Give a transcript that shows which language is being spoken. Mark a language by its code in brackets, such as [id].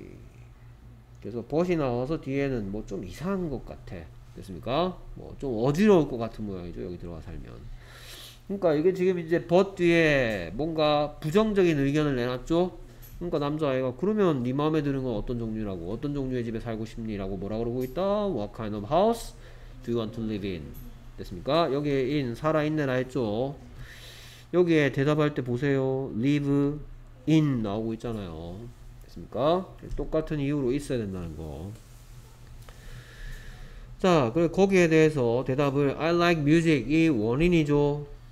[ko] 그래서 but이 나와서 뒤에는 뭐 좀 이상한 것 같아. 됐습니까? 뭐 좀 어지러울 것 같은 모양이죠. 여기 들어가 살면. 그러니까 이게 지금 이제 but 뒤에 뭔가 부정적인 의견을 내놨죠. 그러니까 남자아이가 그러면 네 마음에 드는 건 어떤 종류라고 어떤 종류의 집에 살고 싶니? 라고 뭐라 그러고 있다? [en] What kind of house do you want to live in? [ko] 됐습니까? 여기에 in 살아있네라 했죠. 여기에 대답할 때 보세요. live in 나오고 있잖아요. 됐습니까? 똑같은 이유로 있어야 된다는 거. 자, 그리고 거기에 대해서 대답을 [en] I like music [ko] 이 원인이죠.